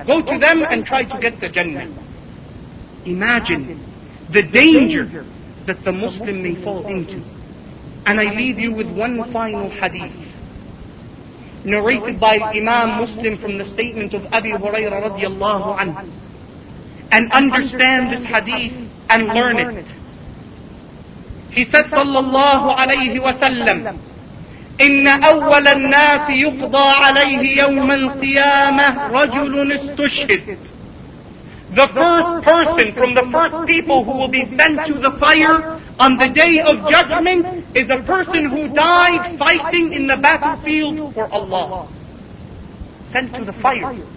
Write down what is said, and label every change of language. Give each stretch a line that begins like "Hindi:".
English: Go to them and try to get the Jannah. Imagine the danger that the Muslim may fall into. And I leave you with one final hadith, narrated by Imam Muslim from the statement of Abi Hurairah radiallahu anhu. And understand this hadith and learn it. He said
Arabic: sallallahu alayhi wa sallam, إن أول الناس يقضى عليه يوم القيامة رجل استشهد.
English: The first person from the first people who will be sent to the fire on the day of judgment is a person who died fighting in the battlefield for Allah. Sent to the fire.